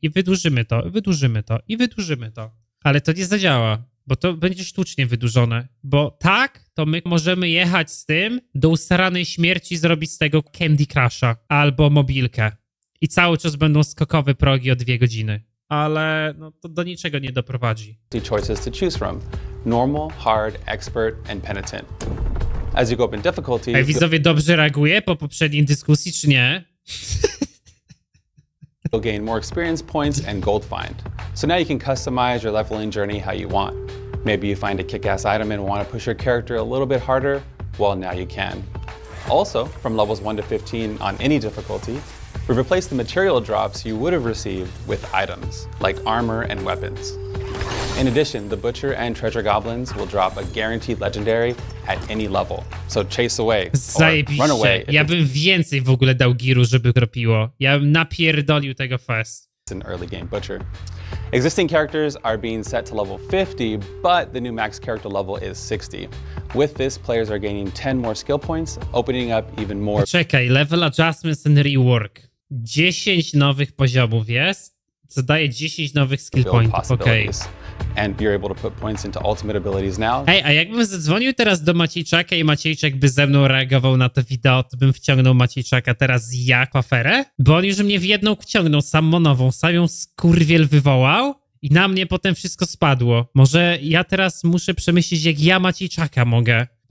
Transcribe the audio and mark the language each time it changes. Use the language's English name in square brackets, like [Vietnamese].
[Polish] I wydłużymy to, wydłużymy to, i wydłużymy to. Ale to nie zadziała, bo to będzie sztucznie wydłużone. Bo tak, to my możemy jechać z tym do usranej śmierci, zrobić z tego Candy Crusha albo mobilkę. I cały czas będą skokowe progi o 2 godziny. Ale no, to do niczego nie doprowadzi. [English] The choices to choose from. Normal, hard, expert and penitent. As you go up in difficulty... [Polish] Ej, widzowie, dobrze reaguje po poprzedniej dyskusji, czy nie? [English] You'll gain more experience points and gold find. So now you can customize your leveling journey how you want. Maybe you find a kick-ass item and want to push your character a little bit harder. Well, now you can. Also, from levels 1 to 15 on any difficulty, we replace the material drops you would have received with items, like armor and weapons. In addition, the Butcher and Treasure Goblins will drop a guaranteed legendary at any level. So chase away or run away. [Polish] Ja bym więcej w ogóle dał giru, żeby kropiło. Ja bym napierdolił tego fest. [English] It's an early game Butcher. Existing characters are being set to level 50, but the new max character level is 60. With this, players are gaining 10 more skill points, opening up even more... [Polish] Czekaj, [English] level adjustments and rework. [Polish] 10 nowych poziomów jest, co daje 10 nowych skill points. [English] Okay. And you're able to put points into ultimate abilities now. [Polish] Hej, a jakbym zadzwonił teraz do Maciejczaka i Maciejczak by ze mną reagował na to wideo, to bym wciągnął Maciejczaka teraz jak aferę? Bo on już mnie w jedną wciągnął, sam monową, sam ją skurwiel wywołał i na mnie potem wszystko spadło. Może ja teraz muszę przemyśleć, jak ja Maciejczaka mogę.